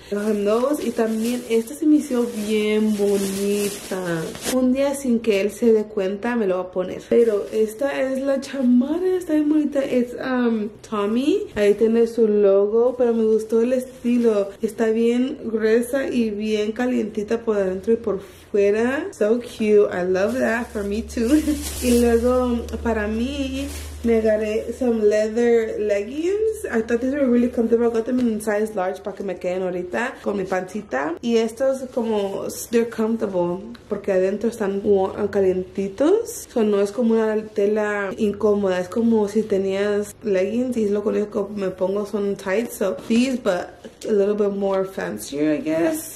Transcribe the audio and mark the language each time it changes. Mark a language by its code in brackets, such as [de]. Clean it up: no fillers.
[es] Los y también esta se me hizo bien bonita. Un día sin que él se dé cuenta me lo va a poner. Pero esta es la chamarra, está bien bonita. Es Tommy. Ahí tiene su logo, pero me gustó el estilo. Está bien gruesa y bien calientita por adentro y por fuera. [en] So cute, I love that for me too. [es] Y luego para mí me agarré [en] some leather leggings. I thought these were really comfortable. I got them in size large [es] para que me queden ahorita con mi pancita. Y estos como, [en] they're comfortable [es] porque adentro están calientitos. O sea, no es como una tela incómoda. Es como si tenías leggings y es lo que me pongo son tight. [en] So these, but a little bit more fancier, I guess.